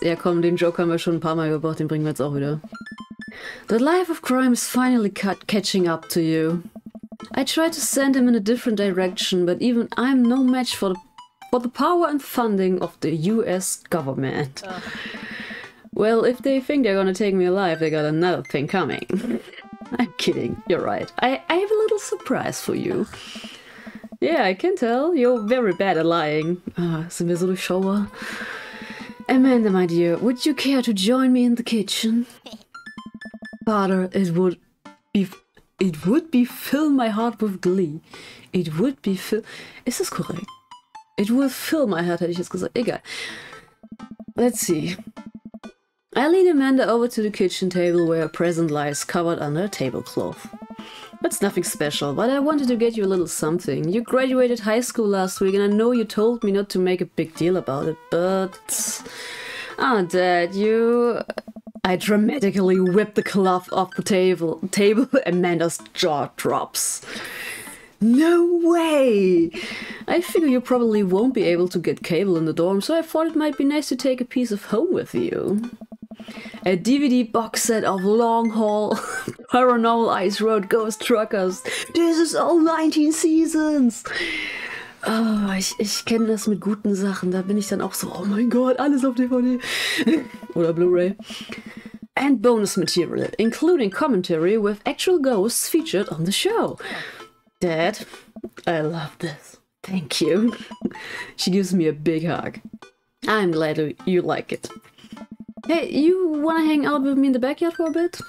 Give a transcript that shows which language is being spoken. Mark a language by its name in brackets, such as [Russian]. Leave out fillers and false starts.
[German] Ja komm, den Joke haben wir schon ein paar Mal gebraucht, den bringen wir jetzt auch wieder. [English] The life of crime is finally catching up to you. I tried to send him in a different direction, but even I'm no match for the power and funding of the US government. Well, if they think they're gonna take me alive, they got another thing coming. I'm kidding, you're right. I have a little surprise for you. Yeah, I can tell. You're very bad at lying. [German] Sind wir so durchschaubar? [English] Amanda, my dear, would you care to join me in the kitchen? Father, It will fill my heart, [German] hätte ich jetzt gesagt. Egal. [English] Let's see. I lead Amanda over to the kitchen table where a present lies covered under a tablecloth. That's nothing special, but I wanted to get you a little something. You graduated high school last week and I know you told me not to make a big deal about it, but... Ah, Dad, you... I dramatically whip the cloth off the table. Amanda's jaw drops. No way! I figure you probably won't be able to get cable in the dorm, so I thought it might be nice to take a piece of home with you. A DVD box set of Long Haul, Paranormal Ice Road, Ghost Truckers. This is all 19 seasons! [German] Oh, ich kenne das mit guten Sachen. Da bin ich dann auch so, oh mein Gott, alles auf DVD. Oder Blu-ray. [English] And bonus material, including commentary with actual ghosts featured on the show. Dad, I love this. Thank you. She gives me a big hug. I'm glad you like it. Hey, you wanna hang out with me in the backyard for a bit?